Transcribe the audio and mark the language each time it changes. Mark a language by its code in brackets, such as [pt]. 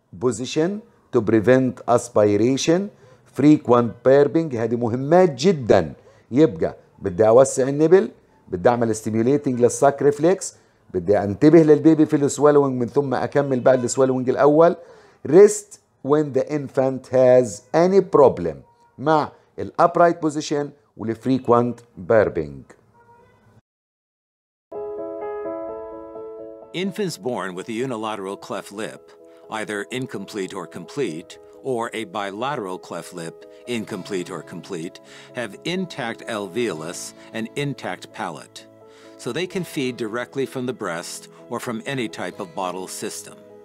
[en] position to prevent aspiration, frequent burping. [ar] هذه مهمات جدا. يبقى بدي أوسع النبل، بدي أعمل stimulating للساك ريفليكس، بدي أنتبه للبيبي في السوالوينج من ثم أكمل بعد السوالوينج الأول. [en] rest when the infant has any problem مع الـ upright position والـ frequent burping. Infants born with a unilateral cleft lip, either incomplete or complete, or a bilateral cleft lip, incomplete or complete, have intact alveolus and intact palate, so they can feed directly from the breast or from any type of bottle system.